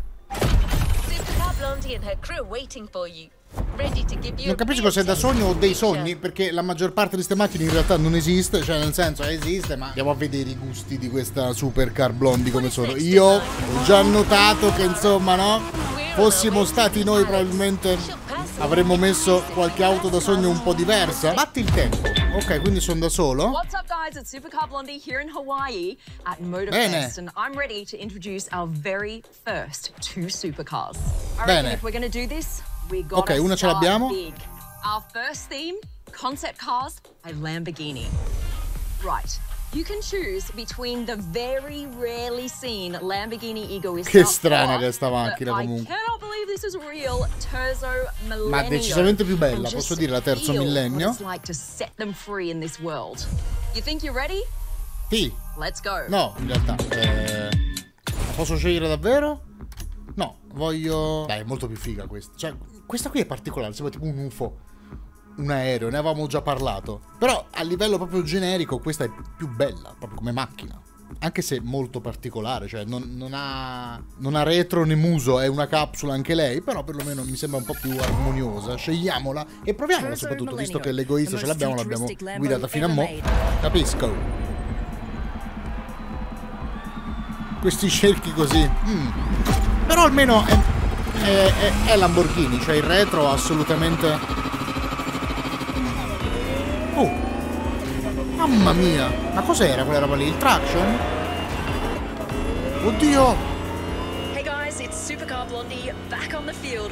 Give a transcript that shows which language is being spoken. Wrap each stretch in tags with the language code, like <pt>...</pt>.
<en>Supercar Blondie and her crew waiting for you.</en> <it>Non capisco se è da sogno o dei sogni, perché la maggior parte di queste macchine in realtà non esiste, cioè nel senso esiste, ma andiamo a vedere i gusti di questa supercar blondie come sono. Io ho già notato che insomma, no? Fossimo stati noi probabilmente avremmo messo qualche auto da sogno un po' diversa. Batti il tempo. Ok, quindi sono da solo.</it> <en>What's up guys, it's Supercar Blondie here in Hawaii at MotorFest, and I'm ready to introduce our very first two supercars.</en> <it>Bene.</it> <en>If we're gonna do this,</en> <it>ok, una ce l'abbiamo.</it> <en>Our first theme, concept cars by Lamborghini. Right. You can choose between the very rarely seen Lamborghini Egoista.</en> <it>Che strana questa macchina comunque.</it> <en>I cannot believe this is real Terzo Millennio.</en> <it>Ma decisamente più bella, posso dire, la Terzo Millennio.</it> <en>It's like to set them free in this world. You think you're ready?</en> <it>Sì.</it> <en>Let's go.</en> <it>No, in realtà posso scegliere davvero? No, voglio... Dai, è molto più figa questa. Cioè, questa qui è particolare, sembra tipo un UFO. un aereo, ne avevamo già parlato. Però a livello proprio generico questa è più bella, proprio come macchina. Anche se molto particolare, cioè non ha retro né muso, è una capsula anche lei, però perlomeno mi sembra un po' più armoniosa. Scegliamola e proviamola, soprattutto visto che l'egoista ce l'abbiamo guidata fino a mo'. Capisco. Questi scelchi così. Però almeno è Lamborghini, cioè il retro assolutamente. Mamma mia, ma cos'era quella roba lì? Il traction? Oddio!</it> <en>Hey guys, it's Supercar Blondie back on the field</en>